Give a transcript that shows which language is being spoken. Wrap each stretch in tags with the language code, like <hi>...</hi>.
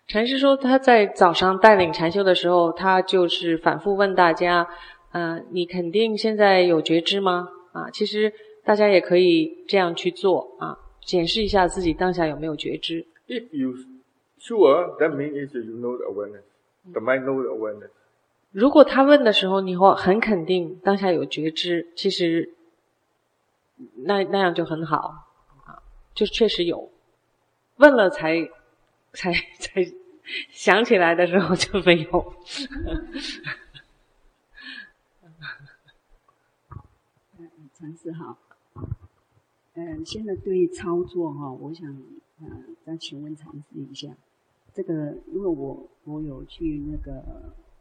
<zh>禅师说他在早上带领禅修的时候, 他就是反复问大家, 你肯定现在有觉知吗? 其实大家也可以这样去做, 检视一下自己当下有没有觉知。</zh> <en>If you sure, that means you know the awareness. The mind knows the awareness.</en> <zh>如果他问的时候, 你很肯定当下有觉知, 其实, 那样就很好，就确实有。问了才想起来的时候就没有。禅师好，现在对于操作，我想再请问禅师一下，这个如果我有去那个</zh>